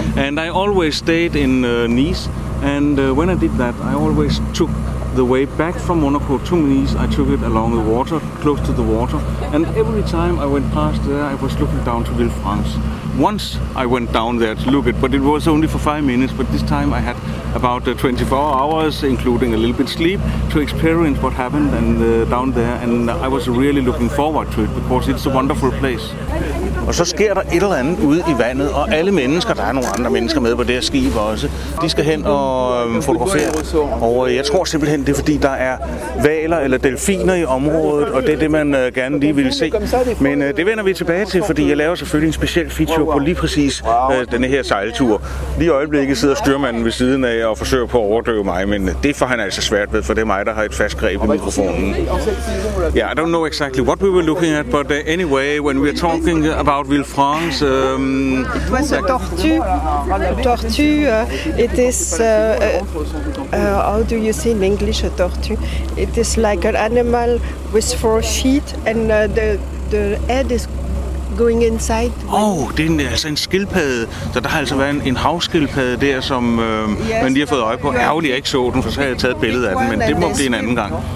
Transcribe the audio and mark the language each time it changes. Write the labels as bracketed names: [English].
[English] And I always stayed in Nice. And when I did that, I always took the way back from Monaco to Nice, I took it along the water, close to the water, and every time I went past there, I was looking down to Villefranche. Once I went down there to look at it, but it was only for 5 minutes, but this time I had about 24 hours, including a little bit sleep, to experience what happened and down there, and I was really looking forward to it, because it's a wonderful place. [Danish] Og så sker der et eller andet ude i vandet, og alle mennesker, der er nogle andre mennesker med på det her skib også, de skal hen og fotografere. Og jeg tror simpelthen, det er fordi, der er hvaler eller delfiner i området, og det er det, man gerne lige vil se. Men det vender vi tilbage til, fordi jeg laver selvfølgelig en speciel feature på lige præcis denne her sejltur. Lige i øjeblikket sidder styrmanden ved siden af og forsøger på at overdøve mig, men det får han altså svært ved, for det er mig, der har et fast greb i mikrofonen. [English] Ja, yeah, I don't know exactly what we were looking at, but anyway, when we are talking about Villefranche, it was a tortue. Tortue. It is how do you say in English a tortue? It is like an animal with 4 feet, and the head is going inside. [Danish] Oh, det er altså en skildpadde. Så der har altså været en havskildpadde der, som yes, man lige har fået øje på. Ærgerligt, jeg ikke så den, for så havde jeg taget billede af den, men det må blive en anden gang.